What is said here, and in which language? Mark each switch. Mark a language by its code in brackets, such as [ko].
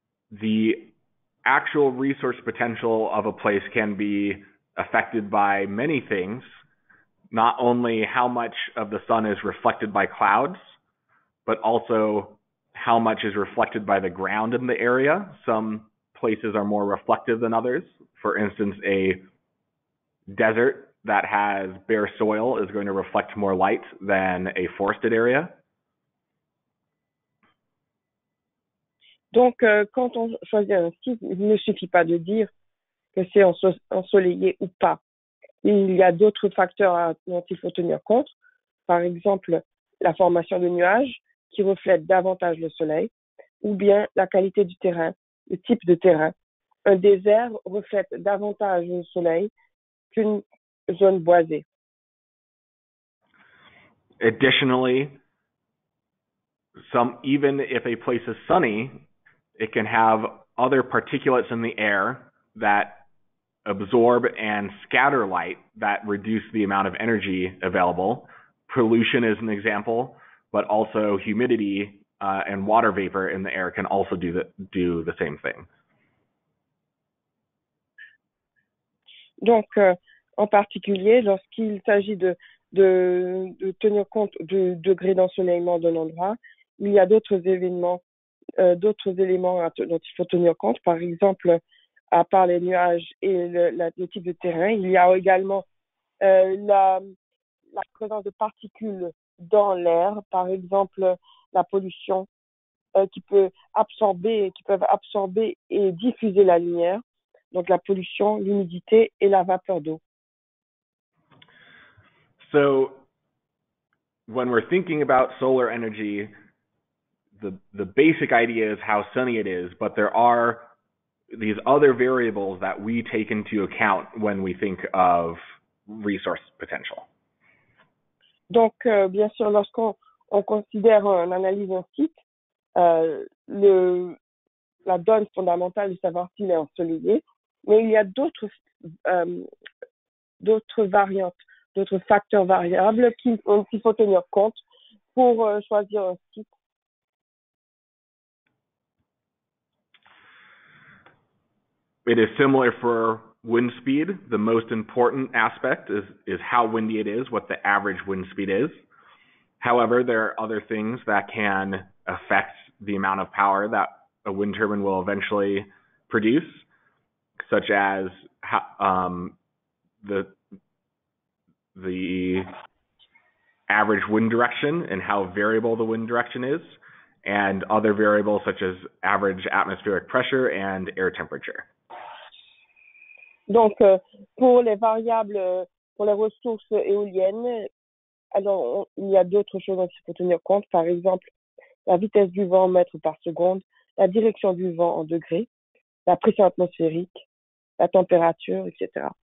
[en] The actual resource potential of a place can be affected by many things, not only how much of the sun is reflected by clouds, but also how much is reflected by the ground in the area. Some places are more reflective than others. For instance, a desert that has bare soil is going to reflect more light than a forested area. [fr] Donc, quand on choisit un site, il ne suffit pas de dire que c'est ensoleillé ou pas. Il y a d'autres facteurs dont il faut tenir compte. Par exemple, la formation de nuages qui reflètent davantage le soleil, ou bien la qualité du terrain, le type de terrain. Un désert reflète davantage le soleil qu'une zone boisée. [en] Additionally, even if a place is sunny, it can have other particulates in the air that absorb and scatter light that reduce the amount of energy available. Pollution is an example, but also humidity and water vapor in the air can also do the same thing. [fr] Donc, en particulier, lorsqu'il s'agit de tenir compte du degré d'ensoleillement d'un endroit, il y a d'autres éléments dont il faut tenir compte. Par exemple, à part les nuages et le type de terrain, il y a également la présence de particules dans l'air, par exemple la pollution qui peuvent absorber et diffuser la lumière, donc la pollution, l'humidité et la vapeur d'eau. [en] So when we're thinking about solar energy, the basic idea is how sunny it is, but there are these other variables that we take into account when we think of resource potential. [fr] Donc, bien sûr, lorsqu'on considère en analyse un site, la donne fondamentale de savoir s'il est ensoleillé, mais il y a d'autres variantes, d'autres facteurs variables qu'il faut tenir compte pour choisir un site. [en] It is similar for wind speed. The most important aspect is how windy it is, what the average wind speed is. However, there are other things that can affect the amount of power that a wind turbine will eventually produce, such as the average wind direction and how variable the wind direction is, and other variables such as average atmospheric pressure and air temperature. [fr] Donc, pour les variables, pour les ressources éoliennes, alors il y a d'autres choses dont il faut tenir compte. Par exemple, la vitesse du vent en mètres par seconde, la direction du vent en degrés, la pression atmosphérique, la température, etc.